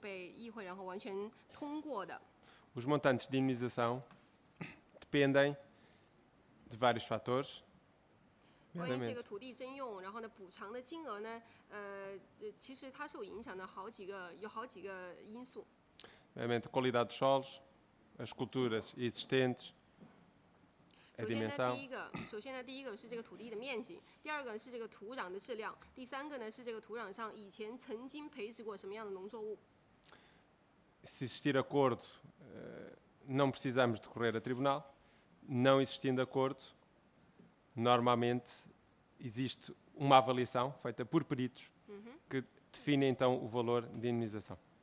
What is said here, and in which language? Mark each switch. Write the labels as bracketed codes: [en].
[zh] 在葡萄牙呢，我们关于这个土地征用呢，有一个相关的特定的一个土地征用法令。这个法令呢是90年代啊，那就被议会然后完全通过的。 [pt] Os montantes de indemnização dependem de vários fatores. [zh] 关于这个土地征用，然后呢，补偿的金额呢，其实它受影响的好几个，有好几个因素。 [pt] Realmente, a qualidade dos solos, as culturas existentes, a dimensão. [zh] 首先呢，第一个是这个土地的面积，第二个是这个土壤的质量，第三个呢是这个土壤上以前曾经培植过什么样的农作物。 [pt] Se existir acordo, não precisamos decorrer a tribunal. Não existindo acordo, normalmente existe uma avaliação feita por peritos que define então o valor de indemnização.